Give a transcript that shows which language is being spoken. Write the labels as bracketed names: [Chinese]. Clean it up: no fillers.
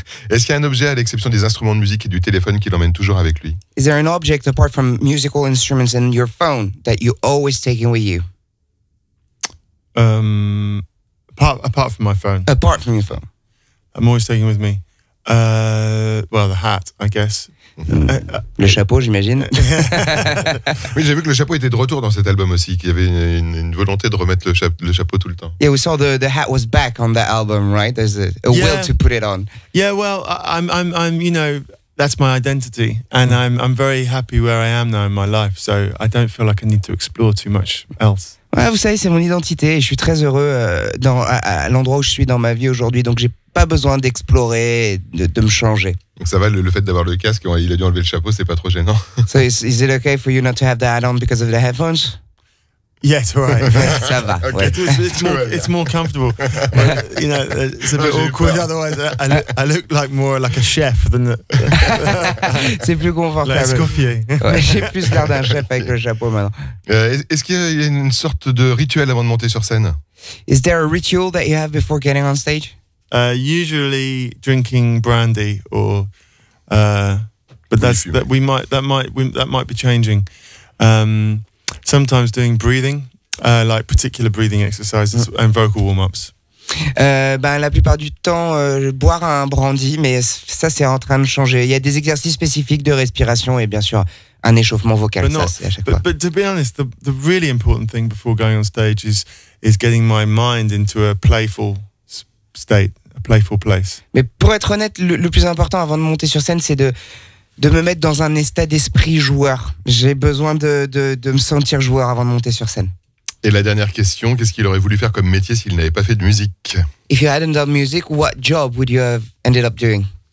[French] Est-ce qu'il y a un objet à l'exception des instruments de musique et du téléphone qui l'emmène toujours avec lui? [English] Is there an object apart from musical instruments and your phone that you always taking with you? Apart from my phone. Apart from your phone. I'm always taking with me. The hat, I guess. [French] Le chapeau, j'imagine. Oui, j'ai vu que le chapeau était de retour dans cet album aussi, qu'il y avait une volonté de remettre le chapeau tout le temps. [English] Yeah, we saw the hat was back on that album, right? There's a will to put it on. Yeah, well, I'm you know, that's my identity, and I'm very happy where I am now in my life, so I don't feel like I need to explore too much else. [French] Ouais, vous savez, c'est mon identité, et je suis très heureux à l'endroit où je suis dans ma vie aujourd'hui, donc j'ai pas besoin d'explorer, de me changer. Donc ça va, le fait d'avoir le casque, il a dû enlever le chapeau, c'est pas trop gênant. [English] So is it okay for you not to have the hat on because of the headphones? Yes, right. [French] Ça va. [English] Okay. It's more comfortable. You know, it's a bit awkward. Otherwise, I look like a chef than. [French] C'est plus confortable. Let's coffier. Ouais, j'ai plus l'air d'un chef avec le chapeau maintenant. Est-ce qu'il y a une sorte de rituel avant de monter sur scène? [English] Is there a ritual that you have before getting on stage? Usually drinking brandy or, but that's fumé. that might be changing. Sometimes doing breathing, like particular breathing exercises and vocal warm-ups. [French] La plupart du temps, boire un brandy, mais ça c'est en train de changer. Il y a des exercices spécifiques de respiration et bien sûr un échauffement vocal. [English] But, [French] not, ça, c'est à chaque fois. [English] But to be honest, the really important thing before going on stage is getting my mind into a playful state. Playful place. [French] Mais pour être honnête, le plus important avant de monter sur scène, c'est de me mettre dans un état d'esprit joueur. J'ai besoin de me sentir joueur avant de monter sur scène. Et la dernière question, qu'est-ce qu'il aurait voulu faire comme métier s'il n'avait pas fait de musique? [English] If you hadn't done music, what job would you have ended up doing?